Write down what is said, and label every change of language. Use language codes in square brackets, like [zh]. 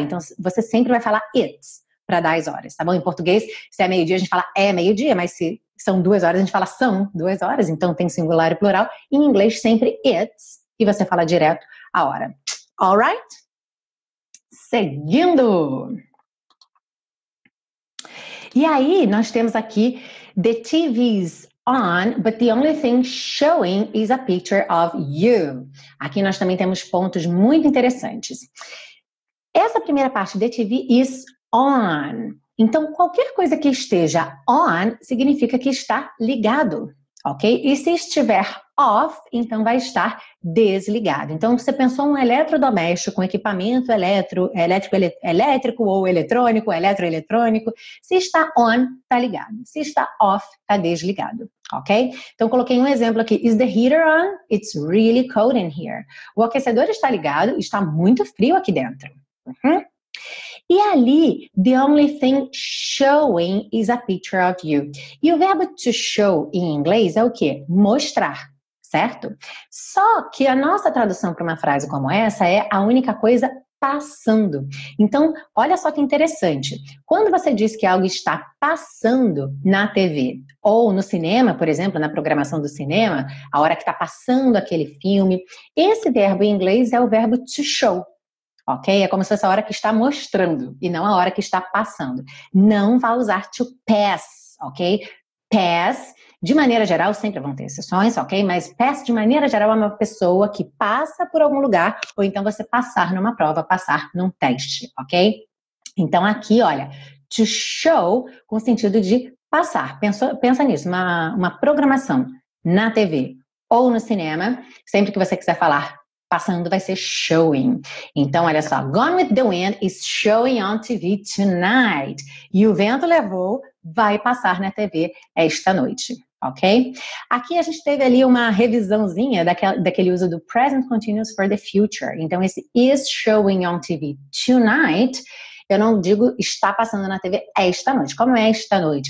[pt] Então, você sempre vai falar it's para dar as horas, tá bom? Em português, se é meio-dia, a gente fala é meio-dia, mas se são 2 horas, a gente fala são 2 horas. Então, tem singular e plural. Em inglês, sempre it's e você fala direto a hora. [en] All right? [pt] Seguindo. E aí, nós temos aqui [en] the TV's on, but the only thing showing is a picture of you. [pt] Aqui nós também temos pontos muito interessantes. Essa primeira parte de [en] TV is on. [pt] Então, qualquer coisa que esteja on significa que está ligado, ok? E se estiver off, então vai estar desligado. Então, você pensou um eletrodoméstico com equipamento eletroeletrônico. Se está on, está ligado. Se está off, está desligado, ok? Então, coloquei um exemplo aqui. [en] Is the heater on? It's really cold in here. [pt] O aquecedor está ligado, está muito frio aqui dentro. Uhum. E ali, [en] the only thing showing is a picture of you. [pt] E o verbo to show em inglês é o quê? Mostrar, certo? Só que a nossa tradução para uma frase como essa é a única coisa passando. Então, olha só que interessante. Quando você diz que algo está passando na TV ou no cinema, por exemplo, na programação do cinema, a hora que está passando aquele filme, esse verbo em inglês é o verbo to show. Ok? É como se fosse a hora que está mostrando e não a hora que está passando. Não vá usar to pass, ok? Pass, de maneira geral, sempre vão ter exceções, ok? Mas pass, de maneira geral, é uma pessoa que passa por algum lugar ou então você passar numa prova, passar num teste, ok? Então aqui, olha, to show com sentido de passar. Pensa nisso, uma programação na TV ou no cinema, sempre que você quiser falar passando vai ser showing. Então, olha só. [en] Gone with the Wind is showing on TV tonight. [pt] E o vento levou, vai passar na TV esta noite. Ok? Aqui a gente teve ali uma revisãozinha daquele uso do present continuous for the future. Então, esse [en] is showing on TV tonight, [pt] eu não digo está passando na TV esta noite. Como é esta noite?